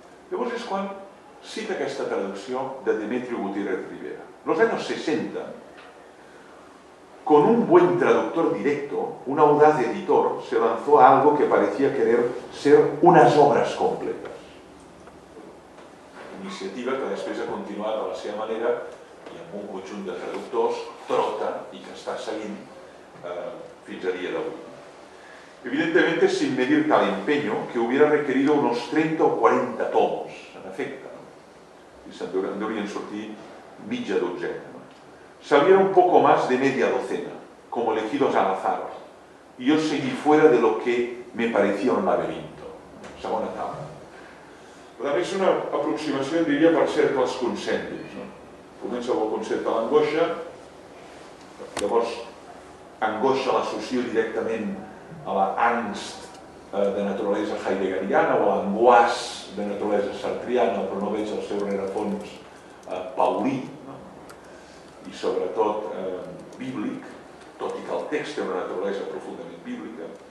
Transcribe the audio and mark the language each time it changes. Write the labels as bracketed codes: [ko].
[ca] Llavors és quan cita aquesta traducció de Demetrio Gutiérrez Rivera. [es] Los años 60, con un buen traductor directo, un audaz editor se lanzó a algo que parecía querer ser unas obras completas. [ca] Iniciativa que després ha continuat a la seva manera i amb un conjunt de traductors, trota i que està seguint fins a dia d'avui. [es] Evidentemente, sin medir tal empeño, que hubiera requerido unos 30 o 40 tomos, [ca] en efecte. I se'n deurien sortir mitja dotzena. [es] Sabía un poco más de media docena, como elegidos al azar, y yo seguí fuera de lo que me parecía un laberinto. [ca] Segona etapa. Però també és una aproximació, diria, per cercles concèntrics. Comença amb el concepte de l'angoixa, llavors angoixa l'associo directament a l'angst de naturalesa heideggeriana o a l'anguàs de naturalesa sartriana, però no veig el seu rerefons paulí, i sobretot bíblic, tot i que el text té una naturalesa profundament bíblica.